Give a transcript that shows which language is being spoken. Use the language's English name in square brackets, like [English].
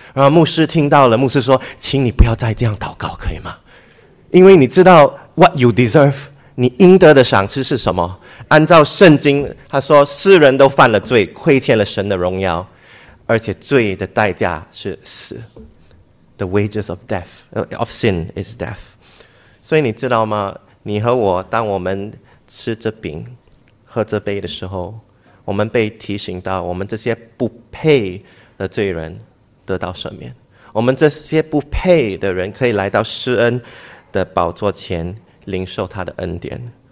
[Chinese] 然后牧师听到了，牧师说，请你不要再这样祷告可以吗？因为你知道 [English] what you deserve, [Chinese] 你应得的赏赐是什么？按照圣经，他说世人都犯了罪，亏欠了神的荣耀。而且罪的代价是死。 [English] The wages of death, of sin is death. [Chinese] 所以你知道吗？你和我，当我们吃这饼、喝这杯的时候，我们被提醒到，我们这些不配的罪人得到赦免。我们这些不配的人可以来到施恩的宝座前，领受他的恩典。